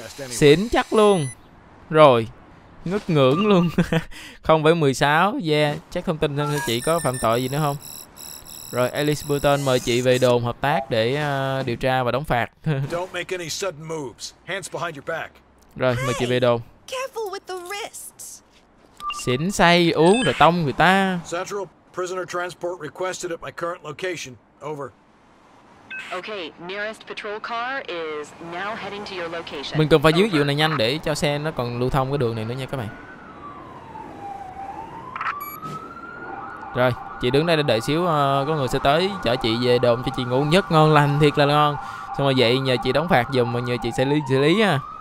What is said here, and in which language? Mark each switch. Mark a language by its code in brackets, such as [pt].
[vi] Xỉn chắc luôn. Rồi, ngất ngưỡng luôn. 0.16, yeah, chắc không tin thôi, chị có phạm tội gì nữa không? Rồi, Alice Burton mời chị về đồn hợp tác để điều tra và đóng phạt. [en] Don't make any sudden moves. Hands behind your back. [vi] Rồi, mời chị về đồn. [en] Careful with the wrists. [vi] Xỉn say uống rồi tông người ta. [en] Central prisoner transport requested at my current location. Over. Okay, nearest patrol car is now heading to your location. [vi] Mình cần phải giữ vụ này nhanh để cho xe nó còn lưu thông cái đường này nữa nha các bạn. Rồi, chị đứng đây để đợi xíu có người sẽ tới chở chị về đồn cho chị ngủ nhất ngon lành, thiệt là ngon. Xong rồi vậy nhờ chị đóng phạt giùm mà nhờ chị sẽ xử lý ha.